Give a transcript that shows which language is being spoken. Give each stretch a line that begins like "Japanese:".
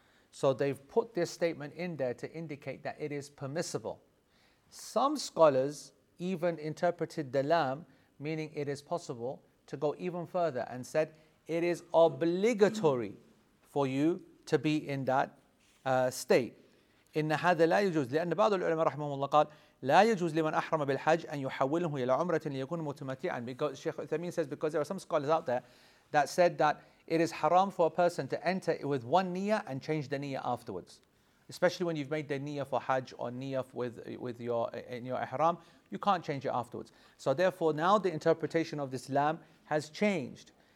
English: So they've put this statement in there to indicate that it is permissible. Some scholars even interpreted the lam, meaning it is possible, to go even further and said it is obligatory for you to be in that state.
Arabic: إن هذا لا يجوز لأن بعض العلماء رحمهم الله قال لا يجوز لمن أحرم بالحج أن يحوله إلى عمرة ليكون متمتعا.
English: Because Sheikh Uthaymeen says, because there are some scholars out there that said that it is haram for a person to enter with one niyyah and change the niyyah afterwards. Especially when you've made the niyyah for Hajj or niyyah with your in your ihram, you can't change it afterwards. So therefore now the interpretation of this lam has changed.